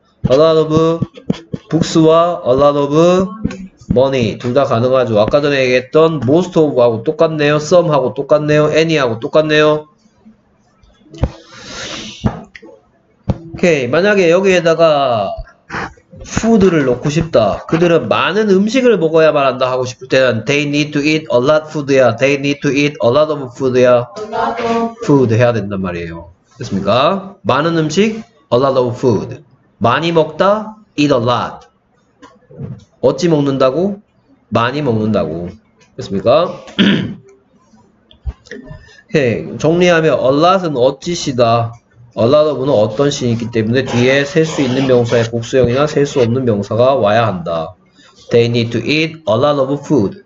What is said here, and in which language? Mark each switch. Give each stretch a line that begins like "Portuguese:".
English: a lot of books
Korean: 와
English: a lot of money
Korean: 둘 다 가능하죠. 아까 전에 얘기했던 most of하고 똑같네요. some하고 똑같네요. any하고 똑같네요. 오케이, 만약에 여기에다가 food를 넣고 싶다. 그들은 많은 음식을 먹어야만 한다 하고 싶을 때는
English: they need to eat a lot food
Korean: 야.
English: they need to eat a lot of food
Korean: 야. food 해야 된단 말이에요. 됐습니까? 많은 음식
English: a lot of food.
Korean: 많이 먹다
English: eat a lot.
Korean: 어찌 먹는다고? 많이 먹는다고. 됐습니까? 오케이, 정리하면 a lot은 어찌시다. a lot of 는 어떤 시 있기 때문에 뒤에 셀 수 있는 명사의 복수형이나 셀 수 없는 명사가 와야 한다.
English: They need to eat a lot of food.